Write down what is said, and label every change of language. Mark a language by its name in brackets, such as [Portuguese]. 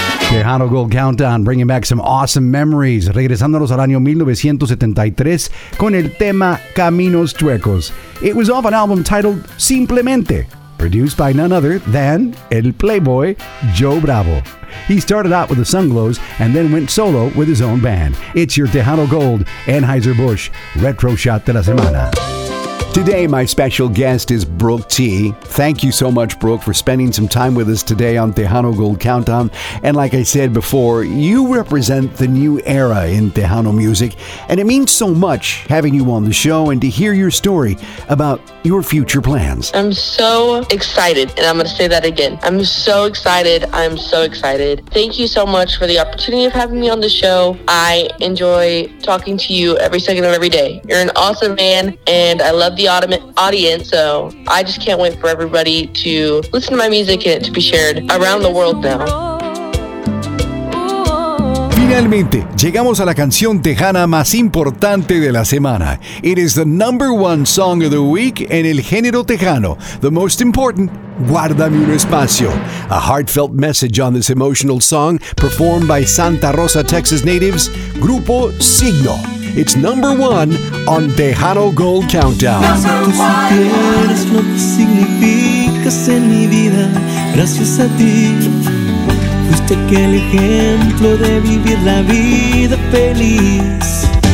[English] Tejano Gold Countdown, bringing back some awesome memories. [Spanish] Regresándonos al año 1973 con el tema Caminos Chuecos. [English] It was off an album titled Simplemente, produced by none other than el playboy Joe Bravo. He started out with the Sunglows and then went solo with his own band. It's your Tejano Gold Anheuser-Busch Retro Shot [Spanish] de la Semana. [English] Today, my special guest is Brooke T. Thank you so much, Brooke, for spending some time with us today on Tejano Gold Countdown. And like I said before, you represent the new era in Tejano music. And it means so much having you on the show and to hear your story about your future plans. I'm so excited. And I'm going to say that again. I'm so excited. Thank you so much for the opportunity of having me on the show. I enjoy talking to you every second of every day. You're an awesome man, and I love the audience, so I just can't wait for everybody to listen to my music and it to be shared around the world now. [Spanish] Finalmente, llegamos a la canción tejana más importante de la semana. [English] It is the number one song of the week [Spanish] en el género tejano. [English] The most important, Guárdame un Espacio. A heartfelt message on this emotional song performed by Santa Rosa, Texas natives, Grupo Signo. It's number one on Tejano Gold Countdown. [Spanish] Tú supieras lo que significas en mi vida, gracias a ti. Fuiste aquel ejemplo de vivir la vida feliz.